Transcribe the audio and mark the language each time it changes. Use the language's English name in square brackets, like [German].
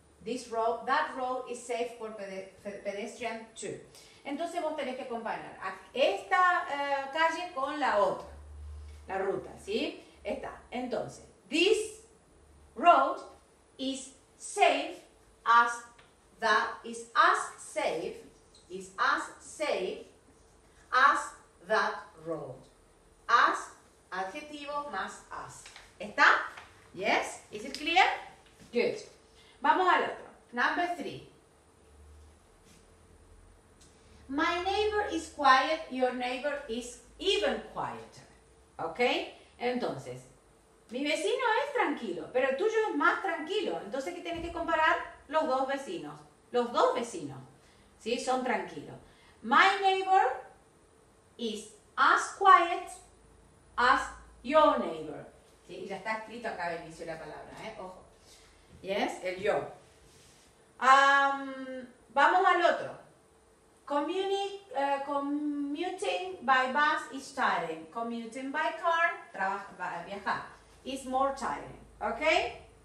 [English] This road, that road is safe for pedestrian too. [Spanish] Entonces vos tenés que comparar a esta calle con la otra. La ruta, ¿sí? Está. [English] Entonces, this road is safe as that is as safe as that road. As, [Spanish] adjetivo más as. [English] ¿Está? Yes? Is it clear? Good. [Spanish] Vamos al otro. [English] Number 3. My neighbor is quiet, your neighbor is even quieter. ¿Ok? [Spanish] Entonces, mi vecino es tranquilo, pero el tuyo es más tranquilo. Entonces, ¿qué tienes que comparar? Los dos vecinos. Los dos vecinos, ¿sí? Son tranquilos. [English] My neighbor is as quiet as your neighbor. [Spanish] ¿Sí? Y ya está escrito acá al inicio de la palabra, ¿eh? Ojo. ¿Yes? El yo. Vamos al otro. [English] Commuting by bus is tiring. Commuting by car, viajar, is more tiring. ¿Ok?